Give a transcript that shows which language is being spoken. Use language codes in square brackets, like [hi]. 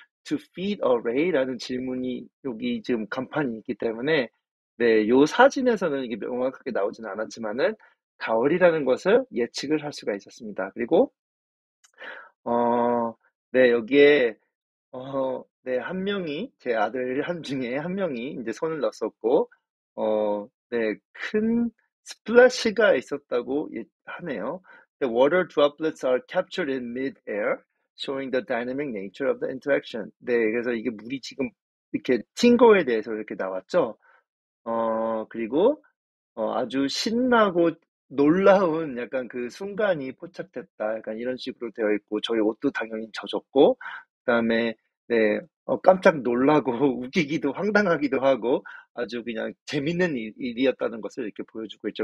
[en] To feed array [ko] 라는 질문이 여기 지금 간판이 있기 때문에 네, 요 사진에서는 이게 명확하게 나오진 않았지만은 가오리라는 것을 예측을 할 수가 있었습니다. 그리고 네, 여기에 네, 한 명이, 제 아들 한 중에 한 명이 이제 손을 넣었었고, 네, 큰 스플래시가 있었다고 하네요. [en] The water droplets are captured in mid-air, showing the dynamic nature of the interaction. [ko] 네, 그래서 이게 물이 지금 이렇게 튄 거에 대해서 이렇게 나왔죠. 그리고, 아주 신나고 놀라운 약간 그 순간이 포착됐다. 약간 이런 식으로 되어 있고, 저희 옷도 당연히 젖었고, 그다음에, 네, 깜짝 놀라고 웃기기도 황당하기도 하고 아주 그냥 재밌는 일이었다는 것을 이렇게 보여주고 있죠.